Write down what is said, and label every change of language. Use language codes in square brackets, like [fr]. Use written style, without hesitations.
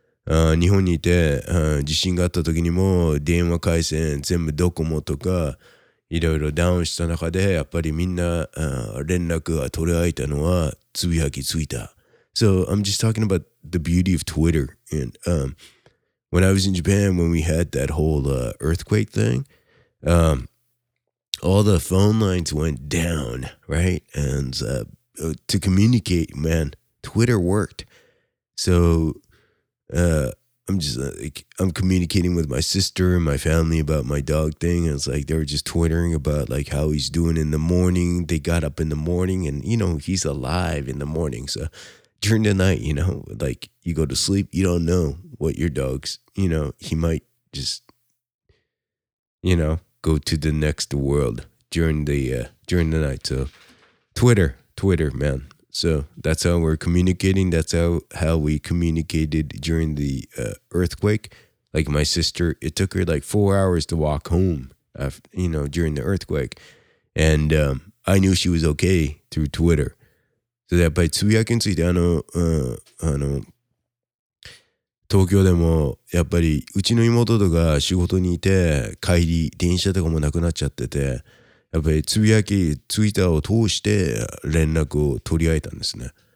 [ja] 日本にいて、地震があった時にも、電話回線全部ドコモとか、いろいろダウンした中で、やっぱりみんな、連絡が取り合えたのは、つぶやきついた。 [en] So I'm just talking about the beauty of Twitter. And when I was in Japan, when we had that whole earthquake thing, all the phone lines went down, right? And to communicate, man, Twitter worked. So I'm communicating with my sister and my family about my dog thing. And it's like, they were just twittering about like how he's doing in the morning. They got up in the morning and, you know, he's alive in the morning. So during the night, you know, like you go to sleep, you don't know what your dog's, you know, he might just, you know, go to the next world during the night. So Twitter, man. So that's how we're communicating. That's how we communicated during the earthquake. Like my sister, it took her like 4 hours to walk home, after, you know, during the earthquake. And I knew she was okay through Twitter. So that by [ja] つぶやきについて、東京でもやっぱりうちの妹とか仕事にいて帰り電車とかもなくなっちゃってて、やっぱりつぶやきツイッターを通して連絡を取り合えたんですね。